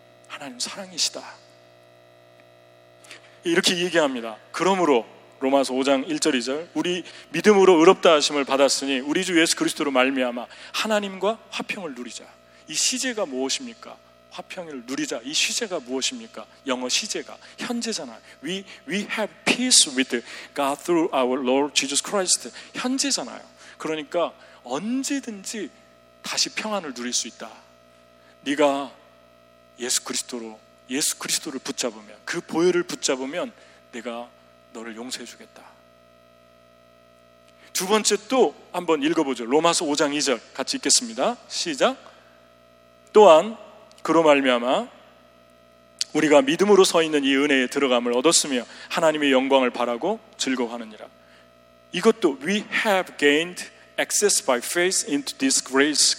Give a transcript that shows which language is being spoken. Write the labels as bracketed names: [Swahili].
[Korean] 하나님 사랑이시다, 이렇게 얘기합니다. 그러므로 로마서 5장 1절 2절 우리 믿음으로 의롭다 하심을 받았으니 우리 주 예수 그리스도로 말미암아 하나님과 화평을 누리자. 이 시제가 무엇입니까? 화평을 누리자. 이 시제가 무엇입니까? 영어 시제가 현재잖아요. [English] We have peace with God through our Lord Jesus Christ. [Korean] 현재잖아요. 그러니까 언제든지 다시 평안을 누릴 수 있다. 네가 예수 그리스도를 붙잡으면, 그 보혈을 붙잡으면 내가 너를 용서해 주겠다. 두 번째 또 한번 읽어보죠. 로마서 5장 2절 같이 읽겠습니다. 시작. 또한 그로 말미암아 우리가 믿음으로 서 있는 이 은혜에 들어감을 얻었으며 하나님의 영광을 바라고 즐거워하느니라. 이것도 [English] We have gained access by faith into this grace.